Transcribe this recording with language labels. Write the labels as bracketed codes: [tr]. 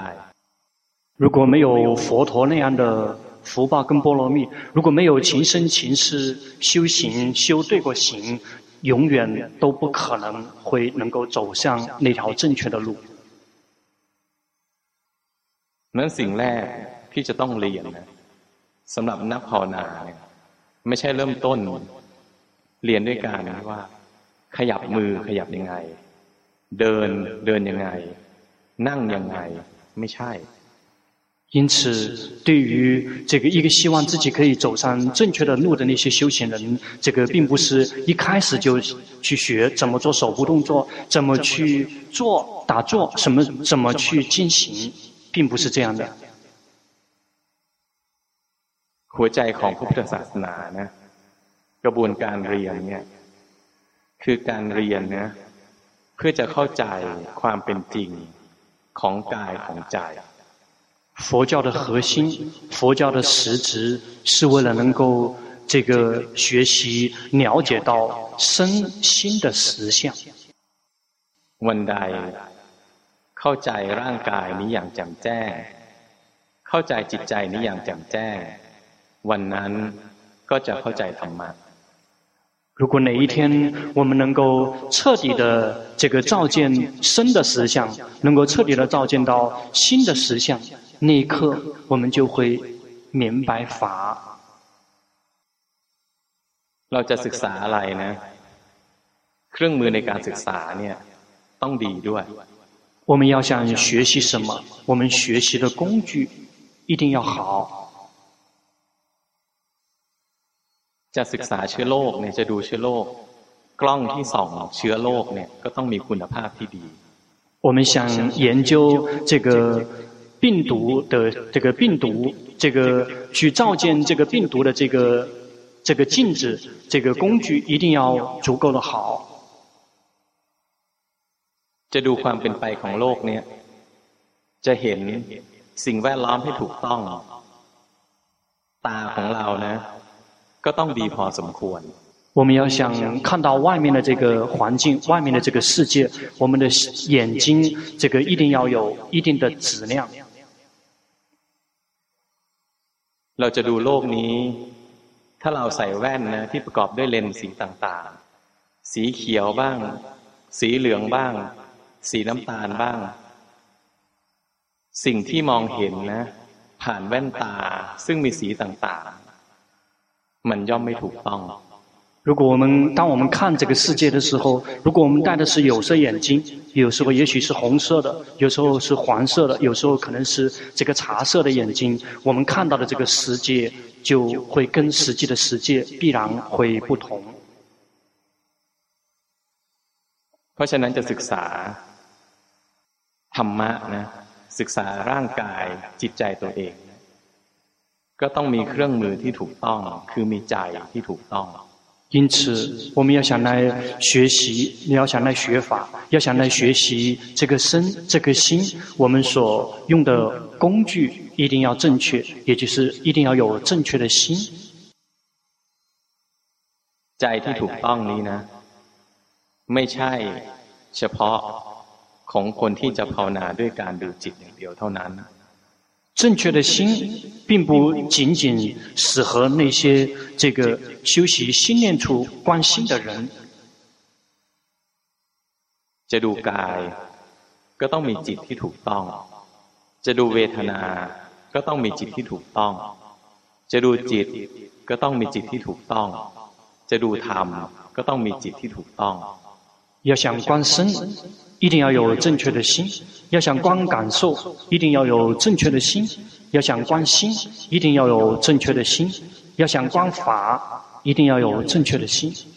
[zh] 如果没有佛陀那样的福报跟波罗蜜如果没有情深情世修行修对过行永远都不可能会能够走向那条正确的路 [th] นั้นสิ่งแรกที่จะต้องเรียนนะสำหรับนักภาวนาไม่ใช่เริ่มต้นเรียนด้วยการว่าขยับมือขยับยังไงเดินยังไงนั่งยังไงไม่ใช่ [zh] 因此对于这个一个希望自己可以走上正确的路的那些修行人这个并不是一开始就去学怎么做手部动作怎么去做打坐怎么去进行并不是这样的 [th] หัวใจของพุทธศาสนานะกระบวนการเรียนเนี่ยคือการเรียนนะเพื่อจะเข้าใจความเป็นจริงของกายของใจ [zh] 佛教的核心佛教的实质是为了能够这个学习了解到身心的实相 [th] วันใดเข้าใจร่างกายนี้อย่างแจ่มแจ้งเข้าใจจิตใจนี้อย่างแจ่มแจ้งวันนั้นก็จะเข้าใจธรรมะ [zh] 如果哪一天我们能够彻底的这个照见身的实相能够彻底的照见到心的实相那一刻我们就会明白法 [th] เราจะศึกษาอะไรนะเครื่องมือในการศึกษาเนี่ยต้องดีด้วย [zh] 我们要想学习什么我们学习的工具一定要好 [th] จะศึกษาเชื้อโรคเนี่ยจะดูเชื้อโรคกล้องที่ส่องเชื้อโรคเนี่ยก็ต้องมีคุณภาพที่ดี [zh] 我们想研究这个病毒的这个病毒这个去照见这个病毒的这个镜子这个工具一定要足够的好 [th] จะดูความเป็นไปของโลกเนี่ยจะเห็นสิ่งแวดล้อมให้ถูกต้องตาของเรานะก็ต้องดีพอสมควร [zh] 我们要想看到外面的这个环境外面的这个世界我们的眼睛这个一定要有一定的质量 [th] เราจะดูโลกนี้ถ้าเราใส่แว่นนะที่ประกอบด้วยเลนส์สีต่างๆสีเขียวบ้างสีเหลืองบ้างสีน้ำตาลบ้างสิ่งที่มองเห็นนะผ่านแว่นตาซึ่งมีสีต่างๆมันย่อมไม่ถูกต้อง [zh] 如果我们当我们看这个世界的时候如果我们戴的是有色眼镜有时候也许是红色的有时候是黄色的有时候可能是这个茶色的眼睛我们看到的这个世界就会跟实际的世界必然会不同 [th] เพราะฉะนั้นจะศึกษาธรรมะนะศึกษาร่างกายจิตใจตัวเองก็ต้องมีเครื่องมือที่ถูกต้องคือมีใจที่ถูกต้อง [zh] 因此我们要想来学习你要想来学法要想来学习这个身这个心我们所用的工具一定要正确也就是一定要有正确的心在地图帮你呢没差是跑恐魂体就跑哪对感度几年有头难呢正确的心并不仅仅适合那些这个修习心念处观心的人 [th] จะดูกายก็ต้องมีจิตที่ถูกต้องจะดูเวทนาก็ต้องมีจิตที่ถูกต้องจะดูจิตก็ต้องมีจิตที่ถูกต้องจะดูธรรมก็ต้องมีจิตที่ถูกต้อง [zh] 要想观身一定要有正确的心要想观感受一定要有正确的心要想观心一定要有正确的心要想观法一定要有正确的心